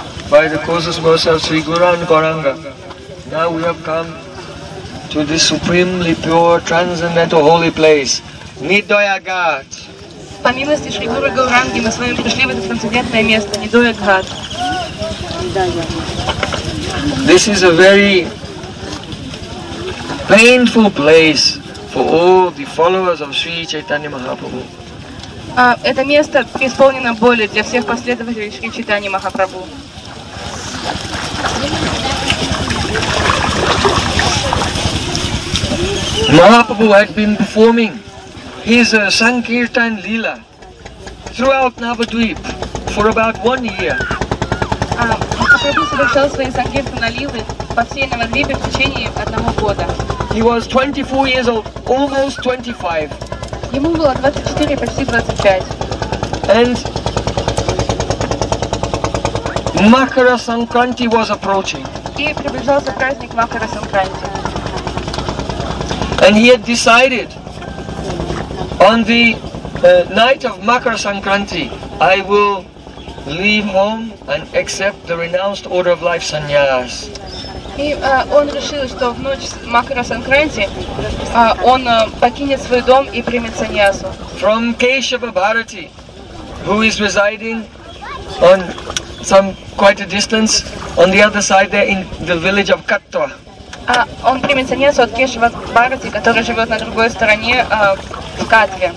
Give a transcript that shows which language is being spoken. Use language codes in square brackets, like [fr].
[en] By the causes mercy of Sri Guru and Gauranga, now we have come to this supremely pure, transcendental holy place, Nirdoy Ghat. [ru] По милости Шри Гуру Гауранги мы с вами пришли в это трансцендентное место, Nirdoy Ghat. [en] This is a very painful place for all the followers of Sri Chaitanya Mahaprabhu. [ru] Это место исполнено боли для всех последователей Шри Чайтаньи Махапрабху. [en] Mahaprabhu had been performing his Sankirtan Leela throughout Navadvip for about 1 year. [ru] Махапрабху совершал свои Sankirtan Leela по всей Навадвипе в течение одного года. [en] He was 24 years old, almost 25. [ru] Ему было 24, почти 25. [en] And Makara Sankranti was approaching. [ru] И приближался праздник Макара Санкранти. [en] And he had decided, on the night of Makara Sankranti, I will leave home and accept the renounced order of life sannyas. [ru] И он решил, что в ночь Макара Санкранти он покинет свой дом и примет саньясу. [en] From Keshava Bharati, who is residing on some quite a distance on the other side there in the village of Katwa. [ru] Он примет саньясу от Кешава Бхарати, который живет на другой стороне в Катве.